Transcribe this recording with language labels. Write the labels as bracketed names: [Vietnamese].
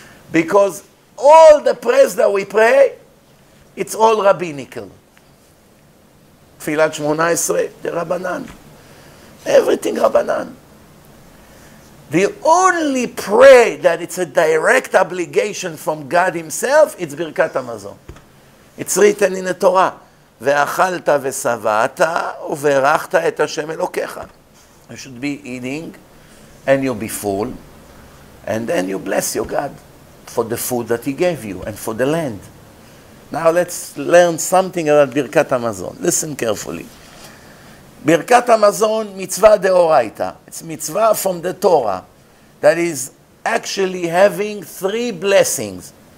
[English] Because all the prayers that we pray, it's all rabbinical. Tfilat Shmona Esrei, the Rabbanan. Everything Rabbanan. The only prayer that it's a direct obligation from God Himself, it's Birkat HaMazon. It's written in the Torah. [Hebrew] ואכלת ושבעת וברכת את השם אלוקיך. [English] You should be eating and you'll be full and then you bless your God for the food that he gave you and for the land. Now let's learn something about Birkat HaMazon. Listen carefully. Birkat HaMazon, mitzvah deoraita. It's mitzvah from the Torah that is actually having 3 blessings.